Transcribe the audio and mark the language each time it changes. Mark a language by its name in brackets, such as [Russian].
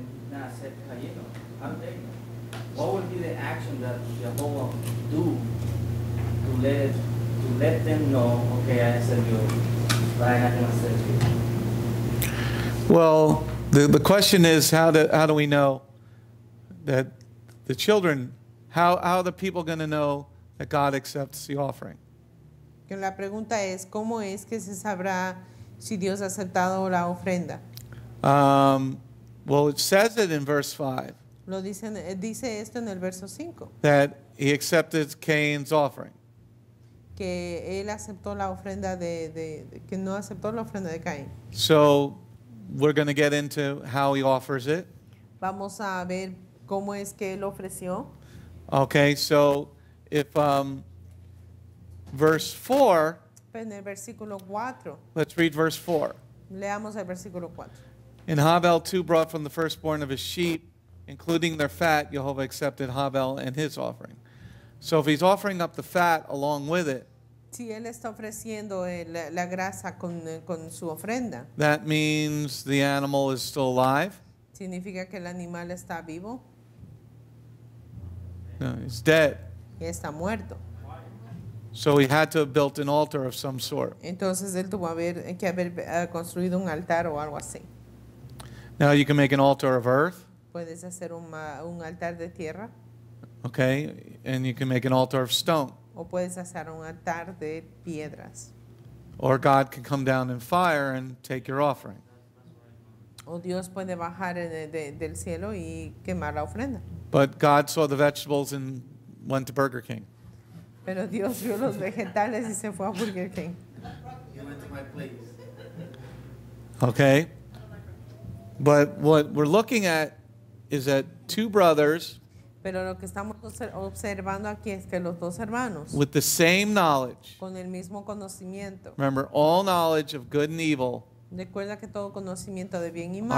[English] What would be the action that Jehovah do to let them know, okay, I accept you, but I have not accept you? Well, the question is how do we know that the children, how are the people going to know that God accepts the offering? [Spanish] La pregunta es, ¿cómo es que se sabrá si Dios ha aceptado la ofrenda? [English] Well, it says it in verse 5. [Spanish] Lo dice esto en el verso 5. [English] That he accepted Cain's offering. [Spanish] Que él aceptó la ofrenda que no aceptó la ofrenda de Caín. [English] So, we're going to get into how he offers it. [Spanish] Vamos a ver cómo es que él ofreció. [English] Okay, so if verse 4. [Spanish] En el versículo 4. [English] Let's read verse 4. [Spanish] Leamos el versículo 4. [English] And Havel too brought from the firstborn of his sheep, including their fat. Jehovah accepted Havel and his offering. So if he's offering up the fat along with it, [Spanish] si él está ofreciendo la grasa con su ofrenda, [English] that means the animal is still alive. [Spanish] ¿Significa que el animal está vivo? [English] No, he's dead. [Spanish] Y está muerto. [English] So he had to have built an altar of some sort. [Spanish] Entonces él tuvo que haber construido un altar o algo así. [English] Now you can make an altar of earth. [Spanish] Puedes hacer un altar de tierra. [English] Okay, and you can make an altar of stone. [Spanish] O puedes hacer un altar de piedras. [English] Or God can come down in fire and take your offering. [Spanish] O Dios puede bajar del cielo y quemar la ofrenda. [English] But God saw the vegetables and went to Burger King. [Spanish] Pero Dios vio los vegetales y se fue a Burger King. [English] He went to my place. Okay. But what we're looking at is that two brothers, [Spanish] pero lo que estamos observando aquí es que los dos hermanos, [English] with the same knowledge, [Spanish] con el mismo conocimiento, [English] remember, all knowledge of good and evil, [Spanish] recuerda que todo conocimiento de bien y mal,